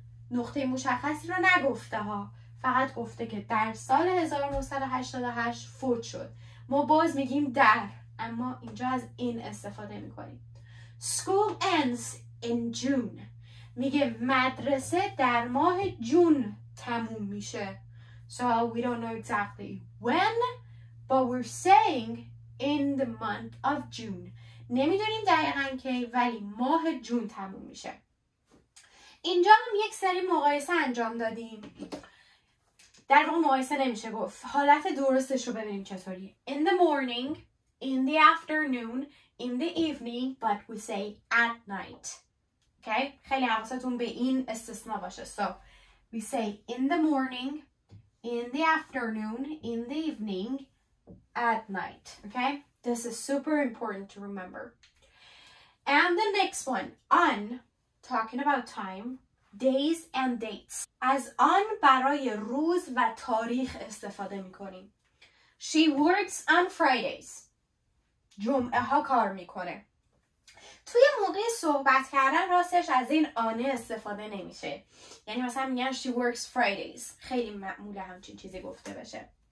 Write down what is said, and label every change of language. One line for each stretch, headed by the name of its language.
Persian: نقطه مشخصی رو نگفته ها، فقط گفته که در سال 1988 فوت شد. ما باز میگیم در، اما اینجا از این استفاده میکنیم.
English: School ends in June.
Persian: میگه مدرسه در ماه جون تموم میشه.
English: So we don't know exactly when, but we're saying in the month of June.
Persian: نمیدونیم دقیقاً کی، ولی ماه جون تموم میشه. اینجا هم یک سری مقایسه انجام دادیم. در واقع مقایسه نمیشه گفت، حالت درستش رو ببینیم چطوری.
English: In the morning, in the afternoon, in the evening, but we say at night. Okay?
Persian: خیلی حواستون به این استثناء باشه.
English: So, we say in the morning, in the afternoon, in the evening, at night. Okay? This is super important to remember. And the next one, on, talking about time, days and dates.
Persian: از on برای روز و تاریخ استفاده میکنیم.
English: She works on Fridays.
Persian: جمعه ها کار میکنه. توی موقع صحبت کردن راستش از این آنه استفاده نمیشه، یعنی مثلا میگن
English: she works Fridays،
Persian: خیلی معموله همچین چیزی گفته بشه.